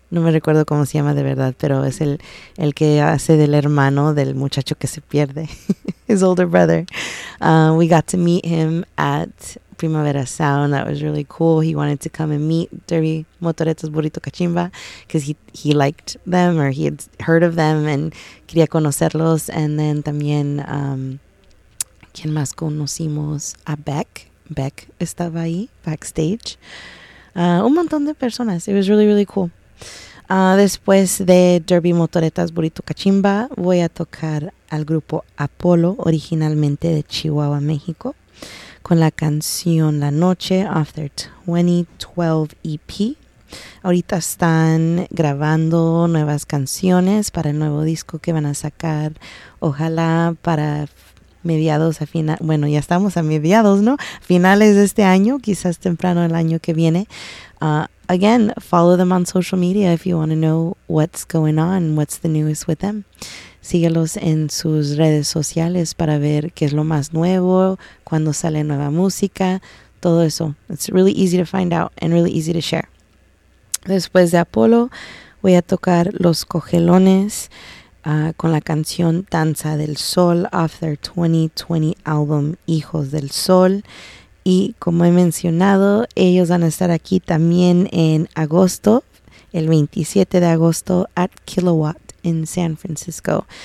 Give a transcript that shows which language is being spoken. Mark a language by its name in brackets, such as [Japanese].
[Spanish] No me recuerdo cómo se llama de verdad, pero es el que hace del hermano del muchacho que se pierde, [English] his older brother. We got to meet him at Primavera Sound. That was really cool. He wanted to come and meet Derby Motoretas Burrito Cachimba because he liked them, or he had heard of them and [Spanish] quería conocerlos. [English] And then [Spanish] también, ¿quién más conocimos? A Beck. Beck estaba ahí backstage. Un montón de personas. [English] It was really, really cool. [Spanish] Después de Derby Motoretas Burrito Cachimba, voy a tocar al grupo Apolo, originalmente de Chihuahua, México, con la canción La Noche, [English] off their 2012 EP. [Spanish] Ahorita están grabando nuevas canciones para el nuevo disco que van a sacar, ojalá para mediados a final, bueno, ya estamos a mediados, ¿no? Finales de este año, quizás temprano el año que viene. [English] Again, follow them on social media if you want to know what's going on, what's the newest with them. [Spanish] Síguelos en sus redes sociales para ver qué es lo más nuevo, cuándo sale nueva música, todo eso. [English] It's really easy to find out and really easy to share. [Spanish] Después de Apolo, voy a tocar Los Cogelones. con la canción Danza del Sol [English] off their 2020 album [Spanish] Hijos del Sol. Y como he mencionado, ellos van a estar aquí también en agosto, el 27 de agosto, at Kilowatt en San Francisco.